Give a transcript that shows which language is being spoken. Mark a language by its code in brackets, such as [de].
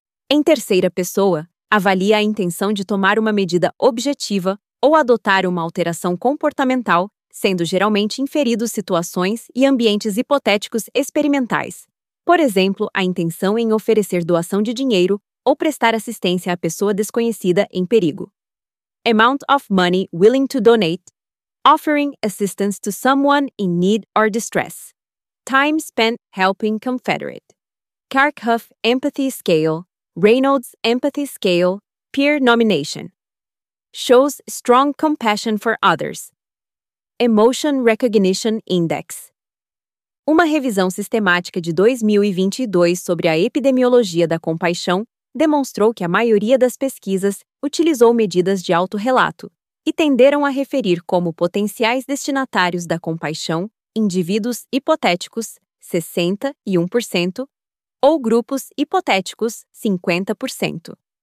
[pt] Em terceira pessoa, avalia a intenção de tomar uma medida objetiva ou adotar uma alteração comportamental, sendo geralmente inferidos situações e ambientes hipotéticos experimentais. Por exemplo, a intenção em oferecer doação de dinheiro ou prestar assistência à pessoa desconhecida em perigo. [en] Amount of money willing to donate. Offering assistance to someone in need or distress. Time spent helping Confederate. Kharkov Empathy Scale. Reynolds Empathy Scale. Peer nomination. Shows strong compassion for others. Emotion Recognition Index. [pt] Uma revisão sistemática de 2022 sobre a epidemiologia da compaixão demonstrou que a maioria das pesquisas utilizou medidas de autorrelato e tenderam a referir como potenciais destinatários da compaixão indivíduos hipotéticos, 61%, ou grupos hipotéticos, 50%.